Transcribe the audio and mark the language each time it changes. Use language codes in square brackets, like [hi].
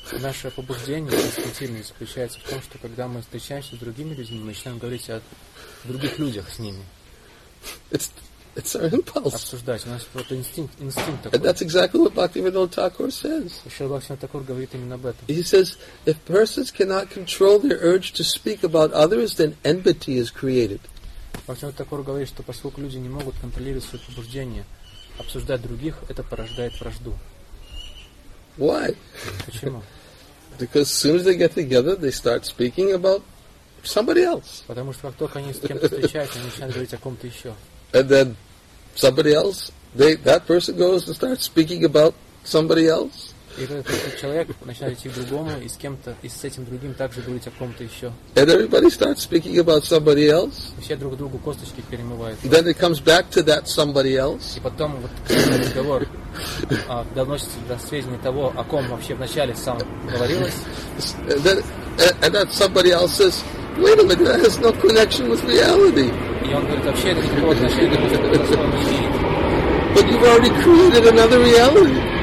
[ru] Наше побуждение инстинктивное заключается в том, что когда мы встречаемся с другими людьми, мы начинаем говорить о других людях с ними. [en] It's our impulse. [ru] Обсуждать. У нас просто инстинкт такой. [en] And that's exactly what Bhaktivinoda Thakur says. [ru] Шрила Бхактивинода Тхакур говорит именно об этом. [en] He says, if persons cannot control their urge to speak about others, then enmity is created. [ru] Бхактивинода Тхакур говорит, что поскольку люди не могут контролировать свое побуждение, обсуждать других, это порождает вражду. [en] Why? [ru] Почему? [en] Because as soon as they get together, they start speaking about somebody else. [ru] Потому что как только они с кем-то встречаются, они начинают говорить о ком-то еще. [en] And then somebody else, that person goes and starts speaking about somebody else. [ru] И этот человек начинает идти к другому и с кем-то, и с этим другим также говорить о ком-то еще. [en] And everybody starts speaking about somebody else. [ru] И все друг другу косточки перемывают. [en] Then it comes back to that somebody else. [ru] И потом вот разговор доносится до сведения того, о ком вообще вначале сам говорилось. [en] And then, and that somebody else says, wait a minute, that has no connection with reality. But you've already created another reality.